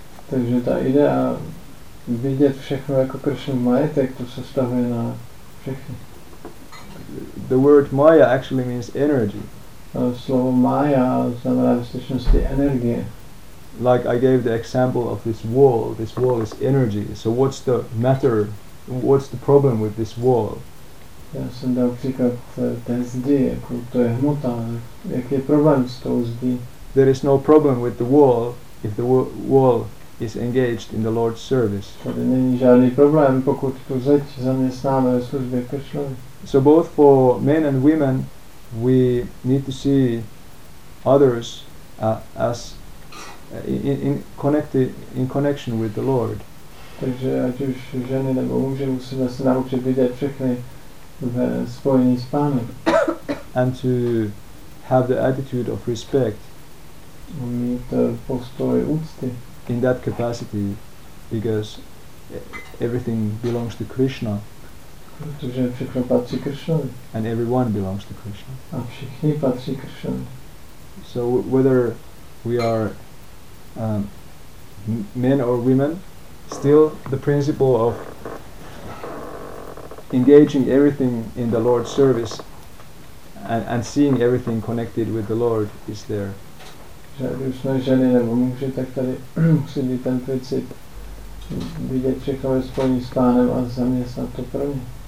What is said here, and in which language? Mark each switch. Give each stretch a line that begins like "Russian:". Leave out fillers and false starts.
Czech: Takže ta idea vidět všechno jako Krishna majetek, to se stavuje na všechny.
English: The word Maya actually means energy.
Czech: A slovo Maya znamená v skutečnosti energie.
English: Like I gave the example of this wall is energy. So what's the matter, what's the problem with this wall?
Czech: Já jsem dal příklad té zdi, jako to je hmota, jaký je problém s tou zdi?
English: There is no problem with the wall if the wall is engaged in the Lord's service.
Czech: Tady není žádný problém, pokud tu zeď zaměstnáme ve službě Krishnovi.
English: So both for men and women, we need to see others as in connection with the Lord.
Czech: Takže ať už ženy nebo muži, musíme se naučit vidět všechny ve spojení s Pánem.
English: And to have the attitude of respect.
Czech: Mít postoj úcty.
English: In that capacity, because everything belongs to Krishna.
Czech: Protože všechno patří Krishnovi.
English: And everyone belongs to Krishna.
Czech: A všichni patří Krishnovi.
English: So whether we are men or women, still the principle of engaging everything in the Lord's service and seeing everything connected with the Lord is there.
Czech: Ať už jsme ženy nebo muži, tak tady musí být ten princip vidět všechno ve spojení s Pánem a zaměstnat to pro ně.